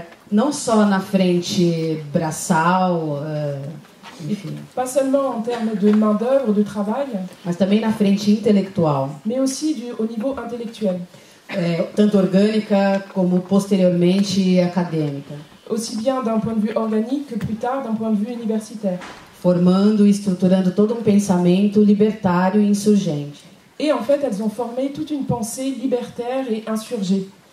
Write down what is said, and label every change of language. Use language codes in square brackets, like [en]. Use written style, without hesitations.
[pt] Não só na frente braçal, enfim. [fr] Pas seulement en termes de main d'œuvre, de travail. [pt] Mas também na frente intelectual. [fr] Mais aussi au niveau intellectuel. [pt] Tanto orgânica como posteriormente acadêmica. [fr] Aussi bien d'un point de vue organique que plus tard d'un point de vue universitaire. [pt] Formando e estruturando todo pensamento libertário e insurgente. [fr] Et en fait, elles ont formé toute une pensée libertaire et insurgée.